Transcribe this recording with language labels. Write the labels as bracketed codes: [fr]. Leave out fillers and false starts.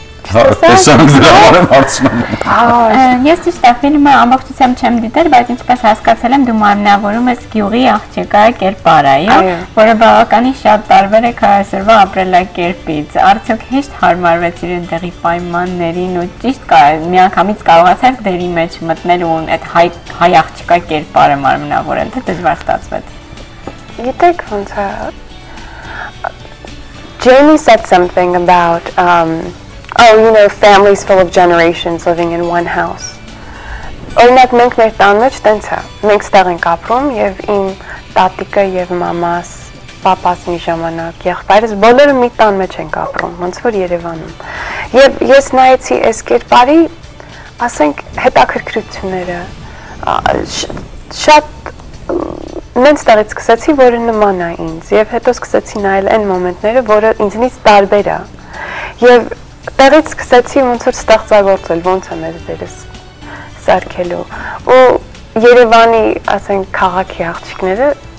[hy] Ես ճիշտ է, ֆիլմը ամբողջությամբ չեմ դիտել, բայց ինչպես հասկացել եմ, դու մարմնավորում ես գյուղի աղջիկա կերպարայը, որը բավականին շատ տարբեր է քայսրվա ապրելակերպից, արդյոք հեշտ հարմարվեցիր ընդեղի պայմաններին ու ճիշտ միանգամից կարողացար դերի մեջ մտնել ու այդ հայ աղջիկա կերպարը մարմնավորել, թե դժվար ստացվեց։ Գիտեք ոնց է, [en] Jamie said something about oh, you know, families full of generations living in one house. [hy] Օրինակ մենք մեր տան մեջ տենց է, մենք ստեղ ենք ապրում, և իմ տատիկը և մամաս, պապաս մի ժամանակ, եղբայրս, բոլորը մի տան մեջ ենք ապրում, ոնց որ Երևանում. Եվ ես նայեցի այս կերպարի, ասենք հետաքրքրությունները, շատ նենց տեղից սկսեցի, որը նման է ինձ, և հետո սկսեցի նայել այն մոմենտները, որը ինձնից տարբեր է, և տեղից սկսեցի ոնց որ ստեղծագործել, ոնց է մեր դերս սարքելու, ու Երևանի, ասենք, քաղաքի աղջիկները